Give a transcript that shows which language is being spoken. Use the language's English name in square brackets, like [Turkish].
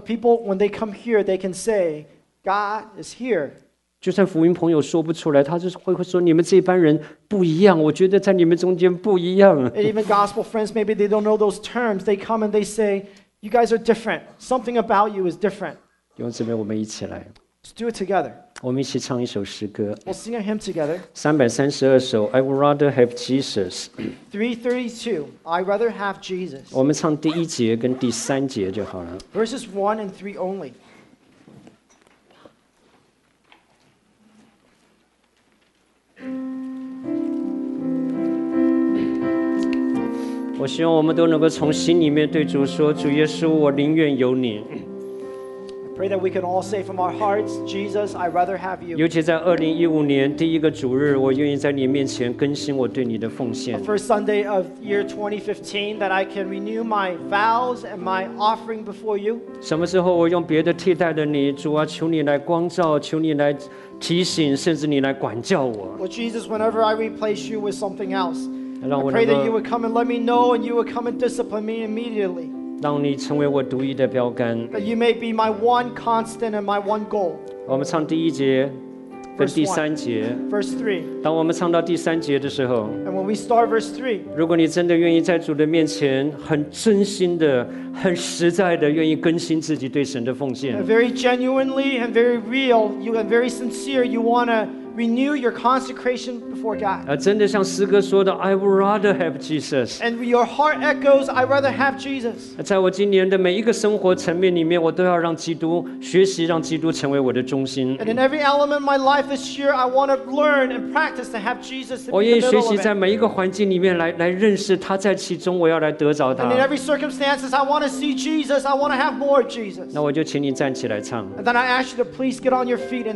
[English] But people, when they come here, they can say, "God is here." [Chinese] 就算福音朋友说不出来，他就是会说你们这班人不一样，我觉得在你们中间不一样。 [English] And even gospel friends, maybe they don't know those terms. They come and they say, "You guys are different. Something about you is different." [Chinese] 弟兄姊妹，我们一起来。 [English] Let's do it together. [Chinese] 我们一起唱一首诗歌。 [English] We'll sing a hymn together. 332首 ，I would rather have Jesus. 332, I'd rather have Jesus. [Chinese] 我们唱第一节跟第三节就好了。 [English] Verses 1 and 3 only. [Chinese] 我希望我们都能够从心里面对主说：“主耶稣，我宁愿有你。” [English] I pray that we can all say from our hearts, "Jesus, I'd rather have you." [Chinese] 尤其在2015年第一个主日，我愿意在你面前更新我对你的奉献。 [English] The first Sunday of year 2015, that I can renew my vows and my offering before you. [Chinese] 什么时候我用别的替代的你，主啊，求你来光照，求你来提醒，甚至你来管教我。 [English] Well, Jesus, whenever I replace you with something else. I pray that you would come and let me know and you would come and discipline me immediately. [Chinese] 让你成为我独一的标杆。 [English] That you may be my one constant and my one goal. [Chinese] 我们唱第一节跟第三节。 [English] Verse 3. [Chinese] 当我们唱到第三节的时候。 [English] And when we start verse 3. [Chinese] 如果你真的愿意在主的面前很真心的很实在的愿意更新自己对神的奉献。 [English] Very genuinely and very real, you are very sincere, you want to renew your consecration before God. [Chinese] 真的像诗歌说的 [English] I would rather have Jesus. And your heart echoes, I'd rather have Jesus. [Chinese] 在我今年的每一个生活层面里面，我都要让基督学习，让基督成为我的中心。 [English] And in every element of my life this year, I want to learn and practice to have Jesus. [Chinese] 我愿意学习在每一个环境里面来认识他在其中，我要来得着他。 [English] And in every circumstances, I want to see Jesus. I want to have more Jesus. [Chinese] 那我就请你站起来唱。 [English] And then I ask you to please get on your feet and sing.